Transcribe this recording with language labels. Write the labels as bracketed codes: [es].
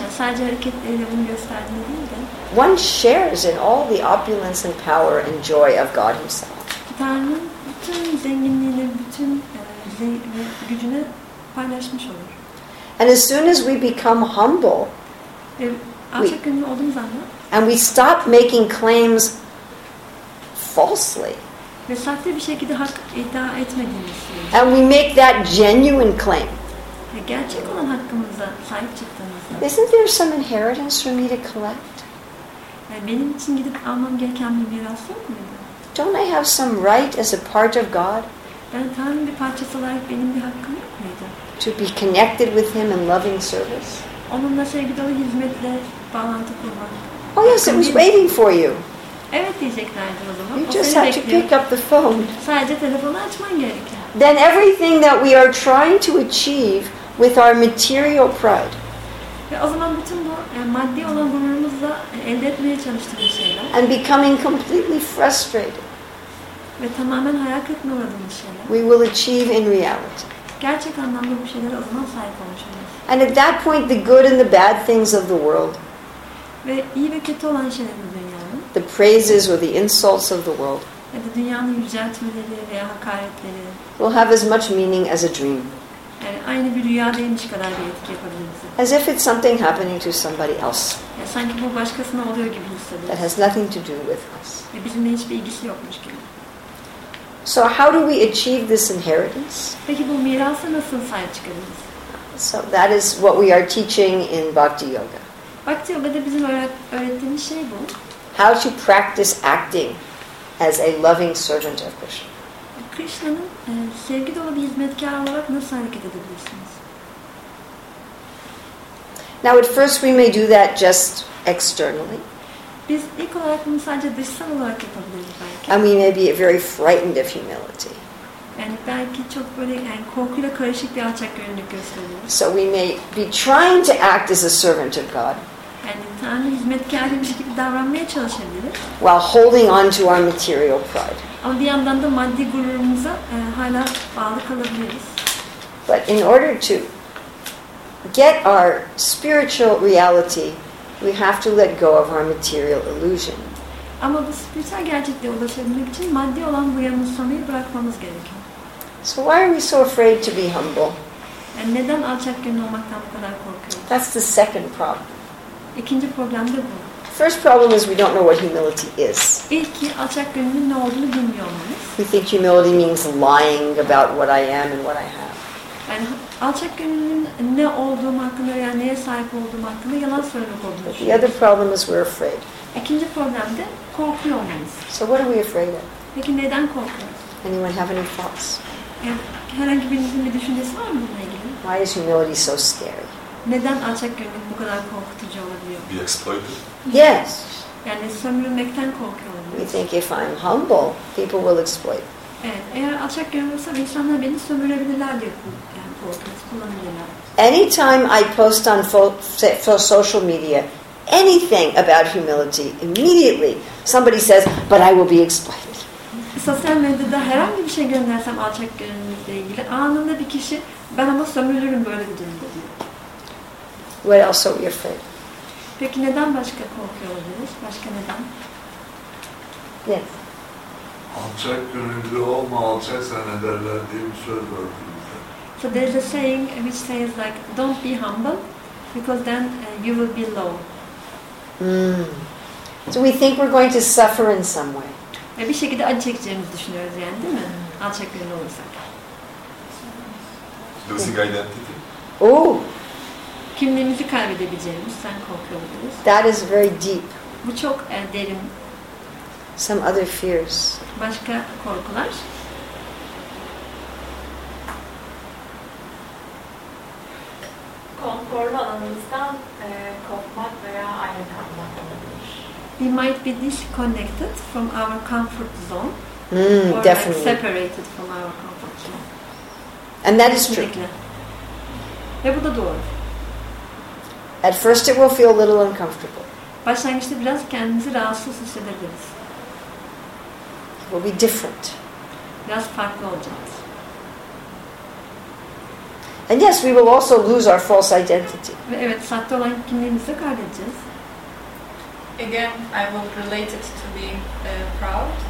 [tr] sadece hareketleriyle bunu gösterdiğini değil de, [en] one shares in all the opulence and power and joy of God Himself. [tr] Tanrı'nın bütün zenginliğini, bütün gücünü paylaşmış olur. [en] And as soon as we become humble, [tr] alçak gönüllü olduğumuz anda, [en] and we stop making claims falsely. [tr] Ve sahte bir şekilde hak iddia etmediğimiz. [en] And we make that genuine claim. [tr] Ve gerçek olan hakkımıza sahip çıktığımızda. [en] Isn't there some inheritance for me to collect? [tr] Yani benim için gidip almam gereken bir miras yok muydu? [en] Don't I have some right as a part of God? [tr] Ben Tanrı'nın bir parçası olarak benim bir hakkım yok muydu? [en] To be connected with Him in loving service. [tr] Onunla sevgi dolu hizmetle bağlantı kurmak. [en] Oh yes, it was waiting for you. [tr] Evet, diyeceklerdi o zaman. [en] You just have to pick up the phone. [tr] Sadece telefonu açman gerekiyor. [en] Then everything that we are trying to achieve with our material pride. [tr] Ve o zaman bütün bu maddi olan gururumuzla elde etmeye çalıştığımız şeyler. [en] And becoming completely frustrated. [tr] Ve tamamen hayal kırıklığına uğradığımız şeyler. [en] We will achieve in reality. [tr] Gerçek anlamda bu şeylere o zaman sahip olacağız. [en] And at that point, the good and the bad things of the world. [tr] Ve iyi ve kötü olan şeyler dünyanın. [en] The praises or the insults of the world. [tr] Ya da dünyanın yüceltmeleri veya hakaretleri. [en] Will have as much meaning as a dream. [tr] Yani aynı bir rüyadaymış kadar bir etki yapabiliriz. [en] As if it's something happening to somebody else. [tr] Ya sanki bu başkasına oluyor gibi hissediyoruz. [en] That has nothing to do with us. [tr] Ve bizimle hiçbir ilgisi yokmuş gibi. [en] So how do we achieve this inheritance? [tr] Peki bu mirasa nasıl sahip çıkarız? [en] So that is what we are teaching in Bhakti Yoga. [tr] Bhakti Yoga'da bizim öğrettiğimiz şey bu. [en] How to practice acting as a loving servant of Krishna. [tr] Krishna'nın sevgi dolu bir hizmetkar olarak nasıl hareket edebilirsiniz? [en] Now at first we may do that just externally. [tr] Biz ilk olarak bunu sadece dışsal olarak yapabiliriz belki. [en] And we may be very frightened of humility. [tr] Yani belki çok böyle yani korkuyla karışık bir alçak gönüllülük gösteriyoruz. [en] So we may be trying to act as a servant of God. [tr] Yani Tanrı hizmetkarıymış gibi davranmaya çalışabiliriz. [en] While holding on to our material pride. [tr] Ama bir yandan da maddi gururumuza hala bağlı kalabiliriz. [en] But in order to get our spiritual reality, we have to let go of our material illusion. [tr] Ama bu spiritüel gerçekliğe ulaşabilmek için maddi olan bu yanılsamayı bırakmamız gerekiyor. [en] So why are we so afraid to be humble? [tr] Yani neden alçak gönüllü olmaktan bu kadar korkuyoruz? [en] That's the second problem. [tr] İkinci problem de bu. [en] First problem is we don't know what humility is. [tr] İlk alçak gönüllü ne olduğunu bilmiyoruz. [en] We think humility means lying about what I am and what I have. [tr] Yani alçak gönüllünün ne olduğum hakkında veya neye sahip olduğum hakkında yalan söylemek olduğunu. [en] The other problem is we're afraid. [tr] İkinci problem de korkuyor olmamız. [en] So what are we afraid of? [tr] Peki neden korkuyoruz? [en] Anyone have any thoughts? [tr] Herhangi birinizin bir düşüncesi var mı bununla ilgili? [en] Why is humility so scary? [tr] Neden alçak gönüllülük bu kadar korkutucu olabiliyor? [en] Be exploited? Yes. [tr] Yani sömürülmekten korkuyorum. [en] We think if I'm humble, people will exploit. [tr] Evet, eğer alçak gönüllüysem insanlar beni sömürebilirler diye yani korkutucu kullanabilirler. [en] Anytime I post on social media, anything about humility, immediately somebody says, but I will be exploited. [tr] Sosyal medyada herhangi bir şey göndersem alçak gönüllülükle ilgili, anında bir kişi, ben ama sömürülürüm böyle bir durumda diyor. [en] What else are we afraid? [tr] Peki neden başka korkuyoruz? Başka neden? [en] Yes. [tr] Alçak gönüllü olma, alçak sen ederler diye bir söz var bizde. [en] So there's a saying which says like, don't be humble, because then you will be low. So we think we're going to suffer in some way. [tr] Bir şekilde acı çekeceğimizi düşünüyoruz yani, değil mi? Alçak gönüllü olursak. [en] Losing identity. Oh. [tr] Kimliğimizi kaybedebileceğimiz, sen korkuyoruz. [en] That is very deep. [tr] Bu çok derin. [en] Some other fears. [tr] Başka korkular. Konfor alanımızdan kopmak veya ayrı kalmak olabilir. [en] We might be disconnected from our comfort zone. Definitely. Like separated from our comfort zone. And that is true. [tr] Ve bu da doğru. [en] At first it will feel a little uncomfortable. [tr] Başlangıçta biraz kendimizi rahatsız hissedebiliriz. [en] It will be different. [tr] Biraz farklı olacağız. [en] And yes, we will also lose our false identity. [tr] Ve evet, sahte olan kimliğimizi kaybedeceğiz. [en] Again, I will relate it to being proud.